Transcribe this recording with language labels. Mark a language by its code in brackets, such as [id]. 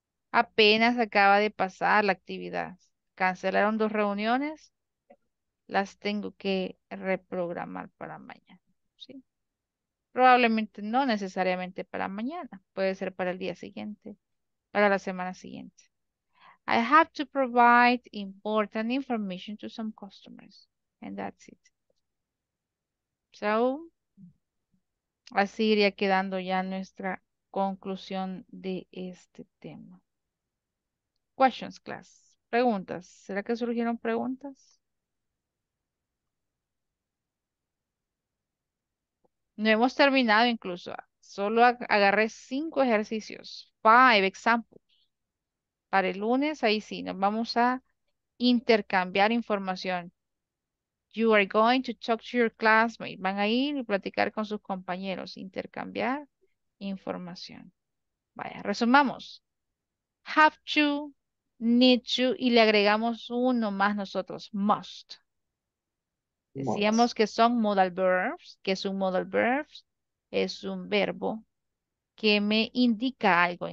[es] Apenas acaba de pasar la actividad. Cancelaron dos reuniones. Las tengo que reprogramar para mañana. Sí. Probablemente no necesariamente para mañana, puede ser para el día siguiente, para la semana siguiente. [en] I have to provide important information to some customers, and that's it. [es] So, así iría quedando ya nuestra conclusión de este tema. [en] Questions, class. [es] Preguntas. ¿Será que surgieron preguntas? No hemos terminado incluso. Solo agarré 5 ejercicios. [en] 5 examples. [es] Para el lunes, ahí sí, nos vamos a intercambiar información. [en] You are going to talk to your classmates. [es] Van a ir y platicar con sus compañeros. Intercambiar información. Vaya, resumamos. Have to, need to, y le agregamos uno más nosotros. Must. Decíamos que son modal verbs, que es un modal verbs, es un verbo que me indica algo.